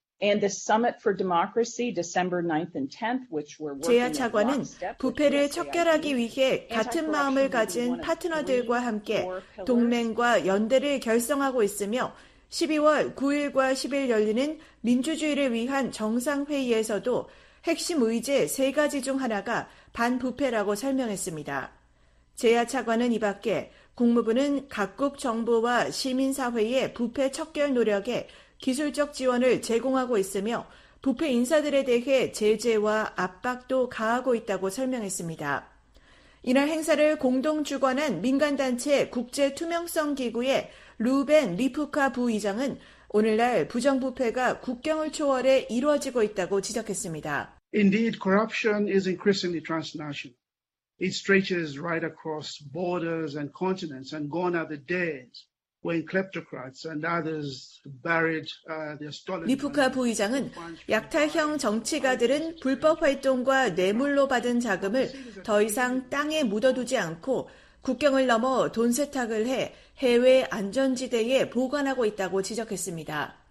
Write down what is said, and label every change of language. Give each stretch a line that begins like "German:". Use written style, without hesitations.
English: And the Summit for Democracy, December 9th and 10th, which we're working on.
Korean: 제야 차관은 부패를 척결하기 위해 같은 마음을 가진 파트너들과 함께 동맹과 연대를 결성하고 있으며 12월 9일과 10일 열리는 민주주의를 위한 정상회의에서도 핵심 의제 세 가지 중 하나가 반부패라고 설명했습니다. 제야 차관은 이 밖에 국무부는 각국 정부와 시민사회의 부패 척결 노력에 기술적 지원을 제공하고 있으며 부패 인사들에 대해 제재와 압박도 가하고 있다고 설명했습니다. 이날 행사를 공동 주관한 민간단체 국제투명성기구의 루벤 리프카 부의장은 오늘날 부정부패가 국경을 초월해 이루어지고 있다고 지적했습니다.
English: Indeed, corruption is increasingly transnational. It stretches right across borders and continents and gone are the days. When kleptocrats and others buried their stolen.
Korean: 리프카 부의장은 약탈형 정치가들은 불법 활동과 뇌물로 받은 자금을 더 이상 땅에 묻어두지 않고 국경을 넘어 돈 세탁을 해 해외 안전지대에 보관하고 있다고 지적했습니다.